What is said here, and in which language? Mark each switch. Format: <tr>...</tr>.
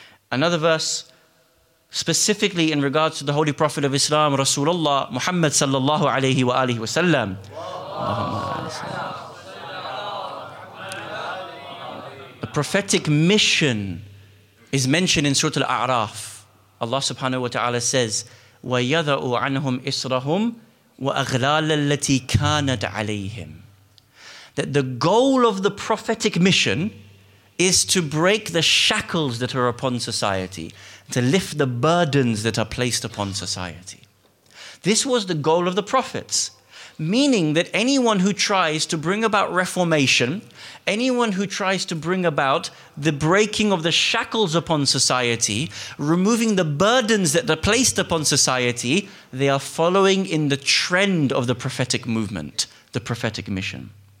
<en>Another verse, specifically in regards to the Holy Prophet of Islam, Rasulullah Muhammad sallallahu alayhi wa alihi wa sallam. The prophetic mission is mentioned in Surah Al-A'raf.</en> <ar>Allah subhanahu wa ta'ala says, وَيَذَعُ عَنْهُمْ إِسْرَهُمْ وَأَغْلَالَ الَّتِي كَانَتْ عَلَيْهِمْ.</ar> <en>That the goal of the prophetic mission is to break the shackles that are upon society, to lift the burdens that are placed upon society. This was the goal of the prophets. Meaning that anyone who tries to bring about reformation, anyone who tries to bring about the breaking of the shackles upon society, removing the burdens that are placed upon society, they are following in the trend of the prophetic movement, the prophetic mission.</en>